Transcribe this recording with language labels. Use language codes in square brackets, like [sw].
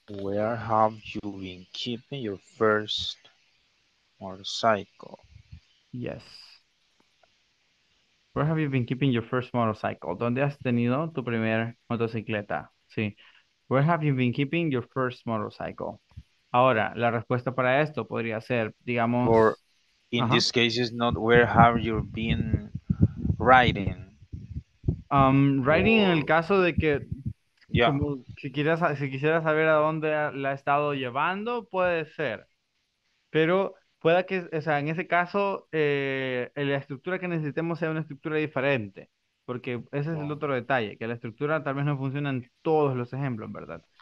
[en] Where have you been keeping your first motorcycle? Yes. Where have you been keeping your first motorcycle? [es] ¿Dónde has tenido tu primer motocicleta? Sí. [en] Where have you been keeping your first motorcycle? [es] Ahora, la respuesta para esto podría ser, digamos... [en] Or in this case, it's not where have you been riding. Riding or... [es] en el caso de que... [en] Yeah. [es] Como, si quisieras saber a dónde la ha estado llevando, puede ser. Pero... Pueda que, o sea, en ese caso, la estructura que necesitemos sea una estructura diferente. Porque ese es el otro detalle, que la estructura tal vez no funciona en todos los ejemplos, ¿verdad?